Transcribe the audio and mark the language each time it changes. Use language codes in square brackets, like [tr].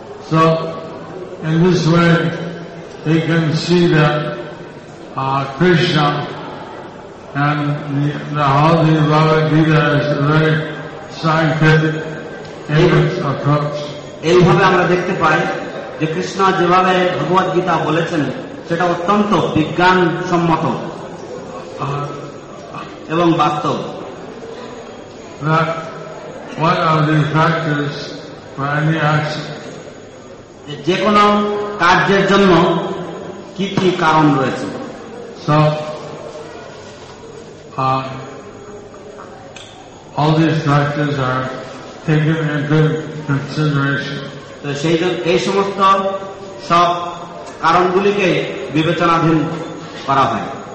[en] So in this way we can see that Krishna and the Holy Bhagavad Gita is a very scientific approach. [bn] এইভাবে আমরা দেখতে পাই যে কৃষ্ণ যেভাবে ভগবদ গীতা বলেছেন সেটা অত্যন্ত বিজ্ঞানসম্মত এবং বাস্তব। [en] What are the factors for any action? [bn] যে কোনো কার্যের জন্য কি কি কারণ রয়েছে? [en] So, all these factors are taken into consideration. [bn] তো সেই জন্য এই সমস্ত সব কারণগুলিকে বিবেচনাধীন করা হয়।